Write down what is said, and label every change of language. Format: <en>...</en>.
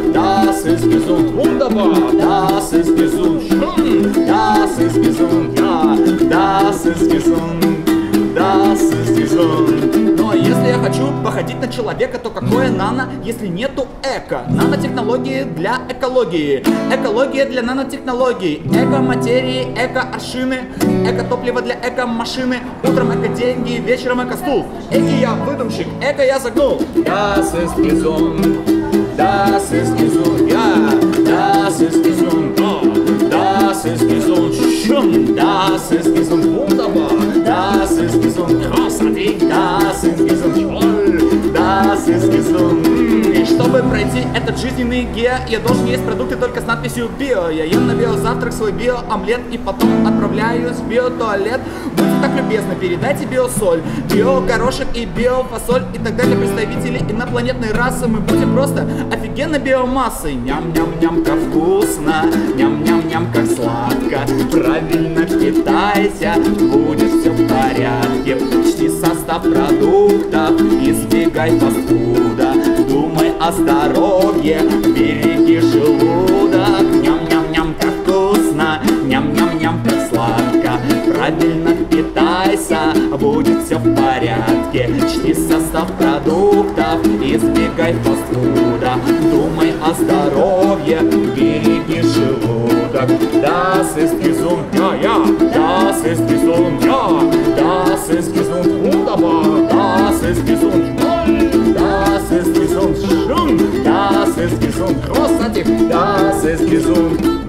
<de>Das ist gesund, wunderbar. Das ist gesund, schön. Das ist gesund, ja. Das ist gesund, das ist gesund.</de> <ru>Ну а если я хочу походить на человека, то какое нано, если нету эко? Нанотехнологии для экологии, экология для нанотехнологий. Эко-материи, эко-аршины, эко-топливо для эко-машины. Утром эко-деньги, вечером эко-стул. Эки я выдумщик, эко я загнул.</ru> <de>Das ist gesund, das ist gesund, ja. Das ist gesund, oh. Das ist gesund, schön. Das ist gesund, wunderbar. Das ist gesund, großartig. Das ist gesund, toll. Das ist gesund.</de> <ru>Чтобы пройти этот жизненный гео, я должен есть продукты только с надписью «Био». Я ем на биозавтрак свой биоомлет и потом отправляюсь в биотуалет. Будьте так любезны, передайте биосоль, биогорошек и биофасоль. И тогда для представителей инопланетной расы мы будем просто офигенно биомассой. Ням-ням-ням, как вкусно, ням-ням-ням, как сладко. Правильно питайся, будет все в порядке. Чти состав продуктов, избегай фастфуда. Думай о здоровье, береги желудок. Ням-ням-ням, как вкусно, ням-ням-ням, как сладко. Правильно питайся, будет все в порядке. Чти состав продуктов, избегай фастфуда. Думай о здоровье, береги желудок.</ru> <de>Das ist gesund, ja, ja. Das ist gesund, ja. Das ist gesund, wunderbar. Das ist gesund, toll. Das ist gesund, schön. Das ist gesund, großartig. Das ist gesund.</de>